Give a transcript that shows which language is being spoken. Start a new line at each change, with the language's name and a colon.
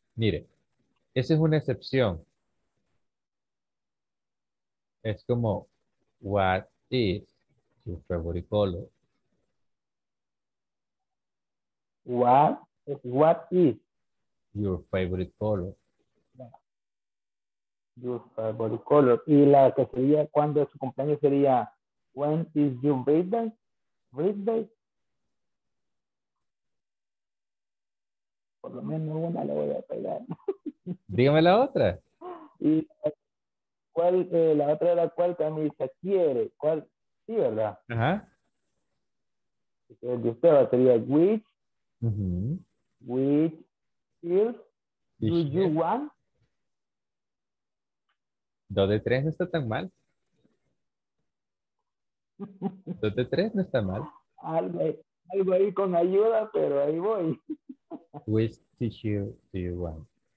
Spanish: Mire, esa es una excepción. Es como,
English: what is your favorite color? What is your favorite color? Your favorite color.
Spanish: Y la que sería, cuando es su cumpleaños, sería,
English: when is your birthday? Birthday?
Spanish: Por lo menos una le voy a pegar. Dígame la otra. ¿Cuál, la otra era cuál camisa quiere? ¿Cuál? Sí, ¿verdad? Ajá. El de usted va a ser which. Uh-huh.
English: Which is do you want?
Spanish: 2 de 3 no está tan mal. 2 de 3 no está mal. Algo ahí con ayuda, pero ahí voy.
English: Which t-shirt do you want?